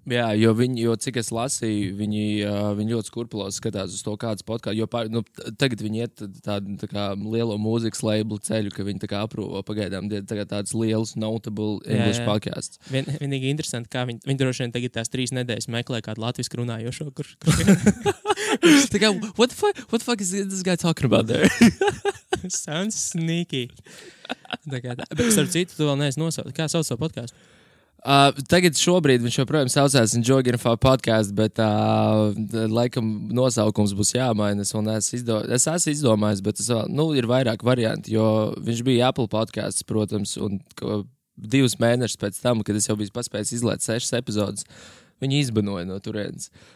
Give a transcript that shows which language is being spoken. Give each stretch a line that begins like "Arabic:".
Latvian: Jā, jo cik es lasīju, viņi ļoti skurpulos skatās uz to kādas podcast, jo nu, tagad viņi iet tādu tā kā lielo mūzikas labelu ceļu, ka viņi tā kā aprūvo pagaidām tā kā tāds liels
English: notable English podcasts.
Latvian: Vienīgi interesanti, kā viņi droši vien tagad tās trīs nedēļas meklē kādu latvisku runājošo, tā kā,
English: what the fuck is this guy talking about there? Sounds sneaky.
Latvian: Tā kā, bet ar citu tu vēl neesi nosaukt. Kā sauc savu podcastu? Tagad šobrīd viņš joprojām saucās Enjoy Getting Fucked podcast, bet laikam nosaukums būs jāmaina. Es esmu izdomājis, bet es vēl, nu, ir vairāk varianti, jo viņš bija Apple podcasts, protams, un divus mēnešus pēc tam, kad es jau biju paspējis izlēt sešas epizodes, viņi izbanoja no turienes.